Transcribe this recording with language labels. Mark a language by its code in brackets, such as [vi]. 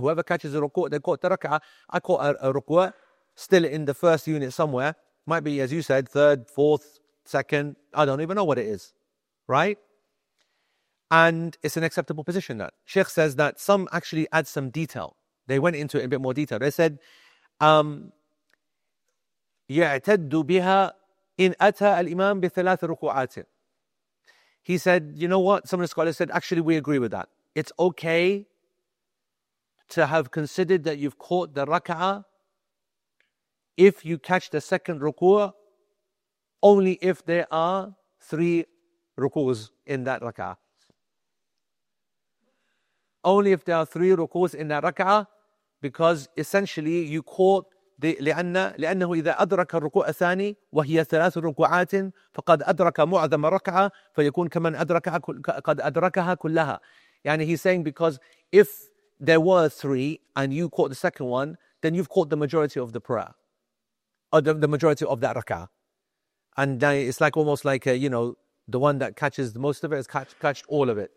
[en] Whoever catches the ruku', they caught the raka'a. I caught a ruku' still in the first unit somewhere. Might be, as you said, third, fourth, second. I don't even know what it is, right? And it's an acceptable position that. Sheikh says that some actually add some detail. They went into it in a bit more detail. They said, [ar] يَعْتَدُّ بِهَا إِنْ أَتَى الْإِمَامِ بِثَلَاثِ رُكُوعَاتٍ. [en] He said, you know what? Some of the scholars said, actually, we agree with that. It's okay to have considered that you've caught the rak'ah if you catch the second ruku'ah, only if there are three ruku'ahs in that rak'ah. Only if there are three ruku'ahs in that rak'ah, because essentially you caught the [ar] لأنه إذا أدرك الركوع الثاني وهي ثلاث ركوعات فقد أدرك معظم ركعة فيكون كمن أدركها قد أدركها كلها. [en] يعني he's saying because if there were three and you caught the second one, then you've caught the majority of the prayer, or the majority of that rak'ah. And it's like almost like you know, the one that catches the most of it has catched all of it.